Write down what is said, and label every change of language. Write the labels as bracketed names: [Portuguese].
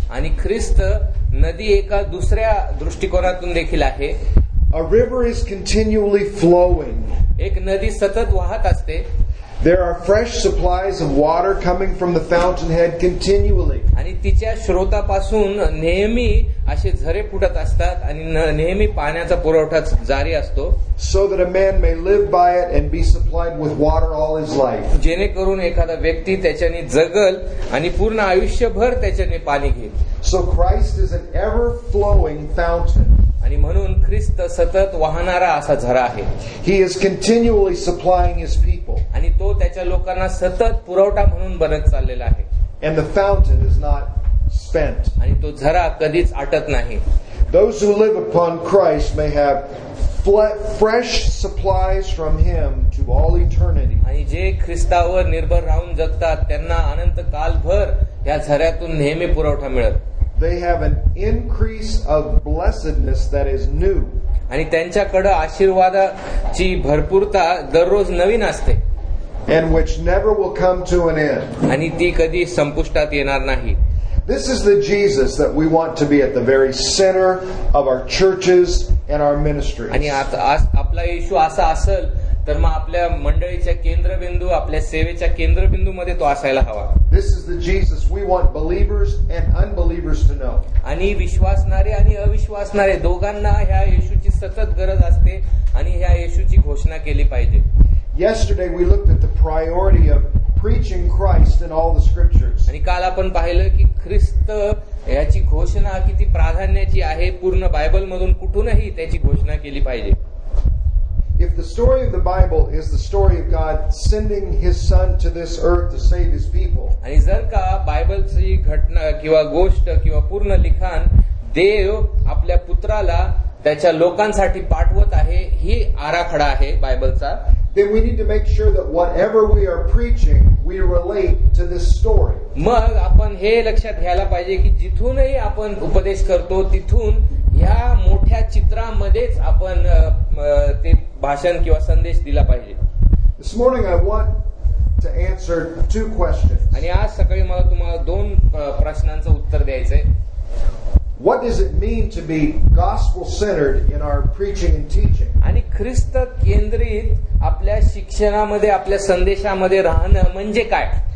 [Marathi] आणि ख्रिस्त नदी एका दुसऱ्या दृष्टिकोनातून देखील आहे. [English] A river is continually flowing. [Marathi] एक नदी सतत वाहत असते. [English] There are fresh supplies of water coming from the fountainhead continually. [Marathi] आणि तिच्या स्रोतापासून नेहमी असे झरे फुटत असतात आणि नेहमी पाण्याचा पुरवठा जारी असतो. [English] So that a man may live by it and be supplied with water all his life. [Marathi] जेणेकरून एखादा व्यक्ती त्याच्याने जगल आणि पूर्ण आयुष्यभर त्याच्याने पाणी घेईल. [English] So Christ is an ever flowing fountain. [Marathi] आणि म्हणून ख्रिस्त सतत वाहणारा असा झरा आहे. [English] He is continually supplying his people. [Marathi] आणि तो त्याच्या लोकांना सतत पुरवठा म्हणून बनत चाललेला आहे. [English] And the fountain is not spent. [Marathi] आणि तो झरा कधीच आटत नाही. [English] Those who live upon Christ may have fresh supplies from him to all eternity. [Marathi] आणि जे ख्रिस्तावर निर्भर राहून जगतात त्यांना अनंत कालभर या झऱ्यातून नेहमी पुरवठा मिळत. [English] They have an increase of blessedness that is new. [Marathi] आणि त्यांच्याकडे आशीर्वादाची भरपूरता दररोज नवीन असते. [English] And which never will come to an end. [Marathi] आणि ती कधी संपुष्टात येणार नाही. [English] This is the Jesus that we want to be at the very center of our churches and our ministries. [Marathi] आणि आपला येशू असा असेल तर मग आपल्या मंडळीच्या केंद्रबिंदू आपल्या सेवेच्या केंद्रबिंदू मध्ये तो असायला हवा. [English] This is the Jesus we want believers and unbelievers to know. [Marathi] आणि विश्वासणारे आणि अविश्वासणारे दोघांना ह्या येशूची सतत गरज असते आणि ह्या येशूची घोषणा केली पाहिजे. [English] Yesterday we looked at the priority of preaching Christ in all the scriptures. [Marathi] आणि काल आपण पाहिलं की ख्रिस्त याची घोषणा किती प्राधान्याची आहे. पूर्ण बायबल मधून कुठूनही त्याची घोषणा केली पाहिजे. [English] If the story of the Bible is the story of God sending his son to this earth to save his people. [Marathi] आणि जर का बायबलची घटना किंवा गोष्ट किंवा पूर्ण लिखाण देव आपल्या पुत्राला त्याच्या लोकांसाठी पाठवत आहे ही आराखडा आहे बायबलचा. [English] Then we need to make sure that whatever we are preaching we relate to this story. [Marathi] मग आपण हे लक्षात घ्यायला पाहिजे की जिथूनही आपण उपदेश करतो तिथून या मोठ्या चित्रामध्येच आपण ते भाषण किंवा संदेश दिला पाहिजे. [English] This morning I want to answer two questions. [Marathi] आणि आज सकाळी मला तुम्हाला दोन प्रश्नांचं उत्तर द्यायचंय. [English] What does it mean to be gospel centered in our preaching and teaching? [Marathi] आणि ख्रिस्त केंद्रित आपल्या शिक्षणामध्ये आपल्या संदेशामध्ये राहणं म्हणजे काय.